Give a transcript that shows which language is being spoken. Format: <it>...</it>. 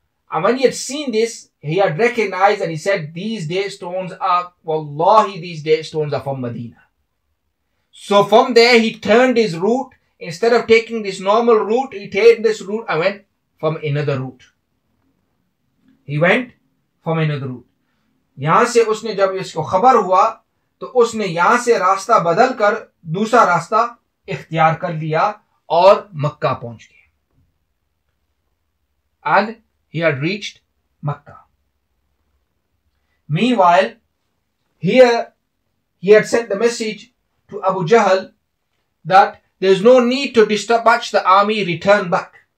<en>And when he had seen this, he had recognized and he said, these date stones are, wallahi, these date stones are from Medina. So from there, he turned his route. Instead of taking this normal route, he turned this route and went from another route. He went from another route.</en> <hi>यहाँ से उसने जब इसको खबर हुआ तो उसने यहाँ से रास्ता बदल कर दूसरा रास्ता इख्तियार कर लिया और मक्का पहुंच गया.</hi> <en>And he had reached Makkah. Meanwhile, here he had sent the message to Abu Jahl that there's no need to dispatch the army, return back.</en>